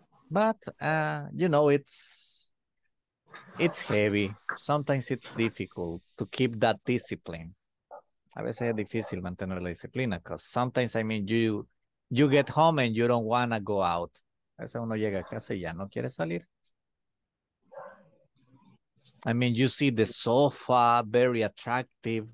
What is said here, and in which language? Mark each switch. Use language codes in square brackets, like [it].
[en] But, you know, it's heavy. Sometimes it's difficult to keep that discipline. [es] A veces es difícil mantener la disciplina [en] because sometimes, I mean, you get home and you don't want to go out. [es] A veces uno llega a casa y ya no quiere salir. [en] I mean, you see the sofa, very attractive.